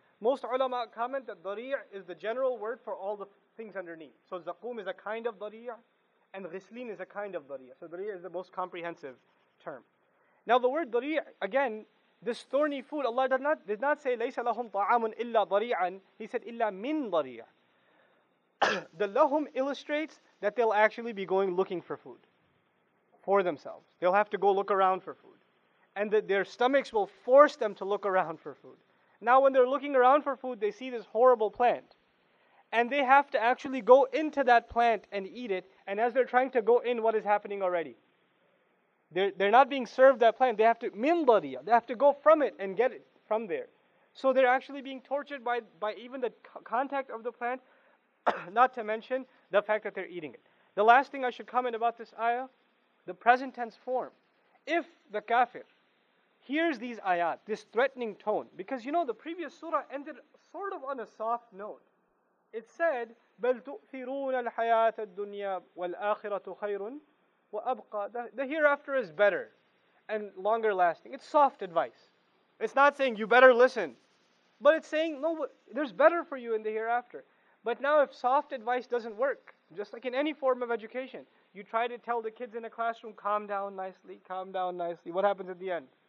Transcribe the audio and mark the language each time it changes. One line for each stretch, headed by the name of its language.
English: Most ulama comment that dari'a is the general word for all the things underneath. So zakum is a kind of dari'a. And ghislin is a kind of dari'a. So dari'a is the most comprehensive term. Now the word dari'a, again, this thorny food, Allah did not say,
Arabic: لَيْسَ لَهُمْ طَعَامٌ إِلَّا ضَرِيعًا.
English: He said,
Arabic: إِلَّا مِنْ ضَرِيعًا.
English: The lahum illustrates that they'll actually be going looking for food for themselves. They'll have to go look around for food. And that their stomachs will force them to look around for food. Now when they're looking around for food, they see this horrible plant. And they have to actually go into that plant and eat it. And as they're trying to go in, what is happening already? They're not being served that plant. They have to min dariya. They have to go from it and get it from there. So they're actually being tortured by even the contact of the plant, not to mention the fact that they're eating it. The last thing I should comment about this ayah, the present tense form. If the kafir hears these ayat, this threatening tone, because you know the previous surah ended sort of on a soft note. It said,
Arabic: بَلْ تُؤْثِرُونَ الْحَيَاةَ الدُّنْيَا وَالْآخِرَةُ خَيْرٌ وَأَبْقَى.
English: The hereafter is better and longer lasting. It's soft advice. It's not saying you better listen. But it's saying, no, there's better for you in the hereafter. But now if soft advice doesn't work, just like in any form of education, you try to tell the kids in a classroom, calm down nicely. What happens at the end?